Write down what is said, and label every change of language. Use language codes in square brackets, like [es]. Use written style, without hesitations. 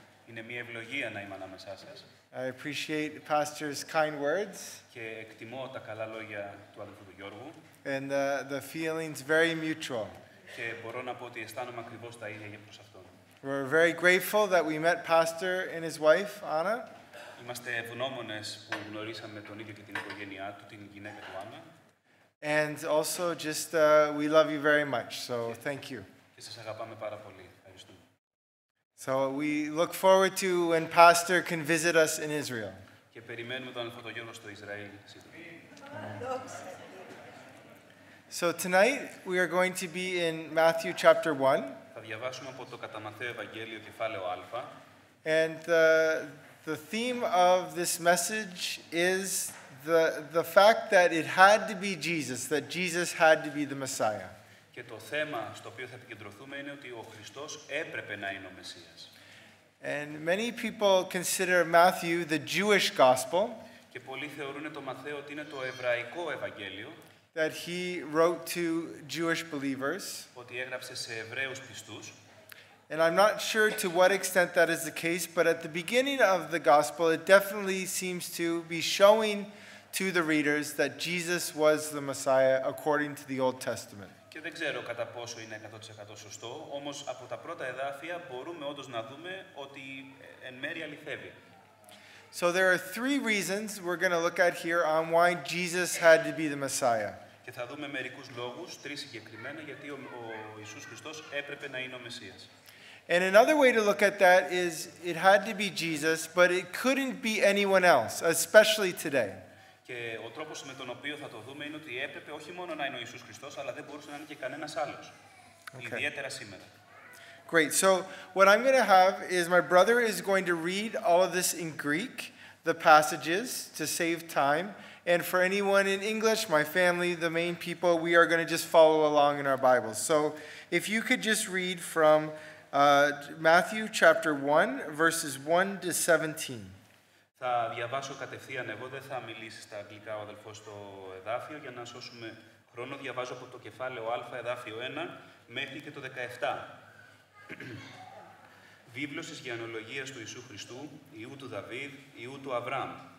[el] Είναι μια ευλογία να είμαι ανάμεσά σας. [en] I appreciate the pastor's kind words. [el] Και εκτιμώ τα καλά λόγια του αδελφού του Γιώργου. [en] And the feeling's very mutual. [el] Και μπορώ να πω ότι αισθάνομαι ακριβώς τα ίδια για προς αυτό. [en] We're very grateful that we met Pastor and his wife, Anna. [el] Είμαστε ευγνώμονες που γνωρίσαμε τον ίδιο και την οικογένειά του, την γυναίκα του Άννα. [en] And also just we love you very much, so thank you. [el] Και σας αγαπάμε πάρα πολύ. Ευχαριστούμε. [en] So we look forward to when Pastor can visit us in Israel. [el] Και περιμένουμε τον αδελφό τον Γιώργο στο Ισραήλ. [en] So tonight we are going to be in Matthew chapter 1. [el] Θα διαβάσουμε από το κατά Ματθαίο Ευαγγέλιο κεφάλαιο Α. [en] And the theme of this message is the fact that it had to be Jesus, that Jesus had to be the Messiah. [el] Και το θέμα στο οποίο θα επικεντρωθούμε είναι ότι ο Χριστός έπρεπε να είναι ο Μεσσίας. [en] And many people consider Matthew the Jewish gospel. [el] Και πολλοί θεωρούν το Ματθαίο ότι είναι το εβραϊκό ευαγγέλιο. [en] That he wrote to Jewish believers. [el] Ότι έγραψε σε Εβραίους πιστούς. [en] And I'm not sure to what extent that is the case, but at the beginning of the gospel, it definitely seems to be showing to the readers that Jesus was the Messiah according to the Old Testament. [el] Και δεν ξέρω κατά πόσο είναι 100% σωστό, όμως από τα πρώτα εδάφια μπορούμε όντως να δούμε ότι εν μέρει αληθεύει. [en] So there are three reasons we're going to look at here on why Jesus had to be the Messiah. [el] Και θα δούμε μερικούς λόγους, τρεις συγκεκριμένα, γιατί ο Ιησούς Χριστός έπρεπε να είναι ο Μεσσίας. [en] And another way to look at that is it had to be Jesus, but it couldn't be anyone else, especially today. [el] Και ο τρόπος με τον οποίο θα το δούμε είναι ότι έπρεπε όχι μόνο να είναι ο Ιησούς Χριστός, αλλά δεν μπορούσε να είναι και κανένας άλλος. Okay. Ιδιαίτερα σήμερα. [en] Great. So what I'm going to have is my brother is going to read all of this in Greek, the passages, to save time. And for anyone in English, my family, the main people, we are going to just follow along in our Bibles. So if you could just read from Matthew chapter 1, verses 1 to 17. [el] Θα διαβάσω κατευθείαν εγώ, δεν θα μιλήσει στα αγγλικά ο αδελφός στο εδάφιο για να σώσουμε χρόνο. Διαβάζω από το κεφάλαιο Α, εδάφιο 1, μέχρι και το 17. Βίβλος της γενεολογίας του Ιησού Χριστού, Υιού του Δαβίδ, Υιού του Αβραάμ.